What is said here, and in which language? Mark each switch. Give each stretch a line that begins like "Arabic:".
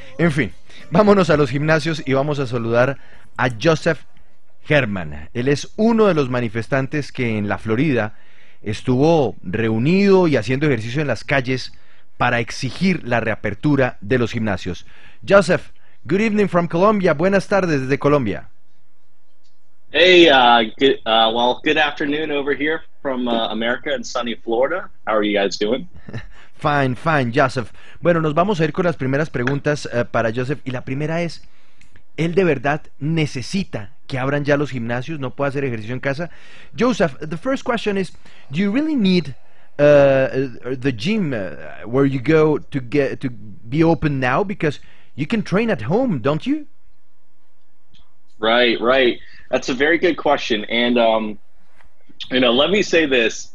Spanish: En fin, vámonos a los gimnasios y vamos a saludar a Joseph Herman. Él es uno de los manifestantes que en la Florida estuvo reunido y haciendo ejercicio en las calles para exigir la reapertura de los gimnasios.
English: Joseph, good evening from Colombia.
Spanish: Buenas tardes desde Colombia.
English: Hey, good afternoon over here from America and sunny Florida. How are you guys doing? Fine, Joseph.
Spanish: Bueno, nos vamos a ir con las primeras preguntas para Joseph. Y la primera es, ¿él de verdad necesita que abran ya los gimnasios? ¿No puede hacer ejercicio en casa?
English: Joseph, the first question is, do you really need the gym where you go to get to be open now? Because you can train at home, don't you? Right. That's a very good question. And, you know, let me say this.